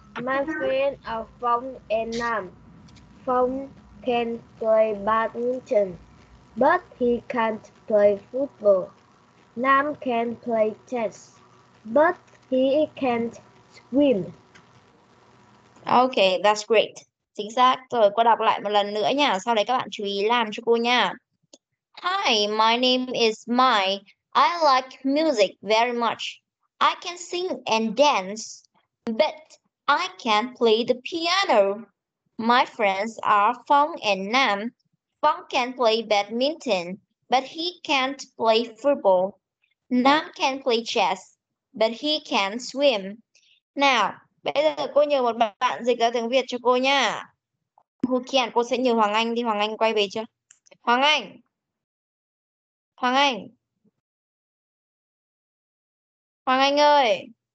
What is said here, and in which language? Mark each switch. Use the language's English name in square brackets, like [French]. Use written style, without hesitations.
[English] My friends are from Vietnam. Phong can play badminton, but he can't play football. Nam can play chess, but he can't swim. Ok, that's great. [Vietnamese] Chính xác. Rồi, cô đọc lại một lần nữa nha. Sau đấy các bạn chú ý làm cho cô nha. [English] Hi, my name is Mai. I like music very much. I can sing and dance, but I can't play the piano. My friends are Phong and Nam. Phong can play badminton, but he can't play football. Nam can play chess, but he can't swim. [Vietnamese] Now, bây giờ cô nhờ một bạn dịch ra tiếng Việt cho cô nha. [English] Who can? [Vietnamese] Cô sẽ nhờ Hoàng Anh đi. Hoàng Anh quay về chưa? Hoàng Anh. Hoàng Anh. Hoàng Anh ơi.